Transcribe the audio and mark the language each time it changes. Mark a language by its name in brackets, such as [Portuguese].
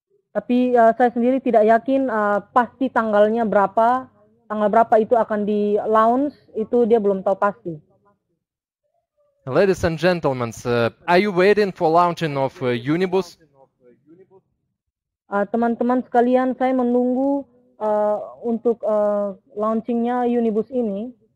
[Indonesian] Tapi saya sendiri tidak yakin pasti tanggalnya berapa. Tanggal berapa itu akan di launch, itu dia belum tahu pasti. [English] Ladies and gentlemen, are you waiting for launching of Unibus? [Indonesian] Teman-teman sekalian, saya menunggu untuk launchingnya Unibus ini.